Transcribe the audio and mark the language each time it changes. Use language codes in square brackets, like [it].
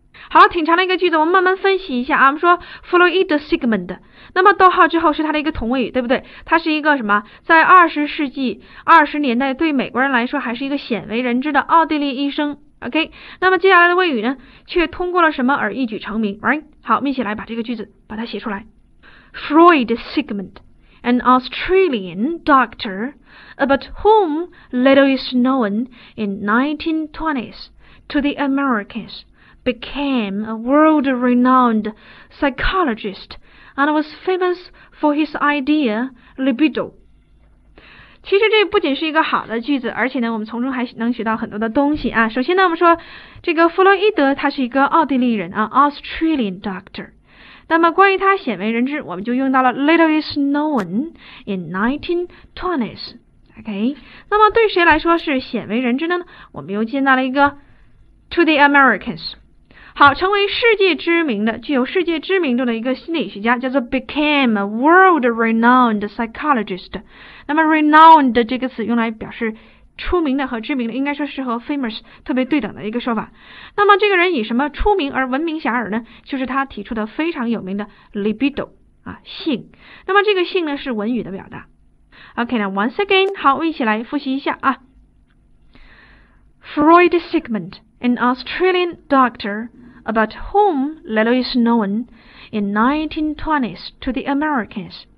[zh] 好了，挺长的一个句子，我们慢慢分析一下啊。我们说 Freud Sigmund， 那么逗号之后是他的一个同位语，对不对？他是一个什么？在20世纪20年代对美国人来说还是一个鲜为人知的奥地利医生。 OK， 那么接下来的谓语呢，却通过了什么而一举成名 ？Right？好，我们一起来把这个句子把它写出来。 [en] Freud Sigmund, an Australian doctor about whom little is known in 1920s to the Americans, became a world-renowned psychologist and was famous for his idea, libido. [zh] 其实这不仅是一个好的句子，而且呢，我们从中还能学到很多的东西啊。首先呢，我们说这个弗洛伊德他是一个奥地利人啊 ， Australian doctor。那么关于他鲜为人知，我们就用到了 little is known in 1920s。 OK， 那么对谁来说是鲜为人知的呢？我们又见到了一个 to the Americans。好，成为世界知名的、具有世界知名度的一个心理学家，叫做 became a world renowned psychologist。那么 renowned 这个词用来表示出名的和知名的，应该说是和 famous 特别对等的一个说法。那么这个人以什么出名而闻名遐迩呢？就是他提出的非常有名的 libido 啊，性。那么这个性呢是文语的表达。 OK， 那 once again，好，我们一起来复习一下啊。 [en] Freud Sigmund, an Australian doctor about whom little is known in 1920s to the Americans.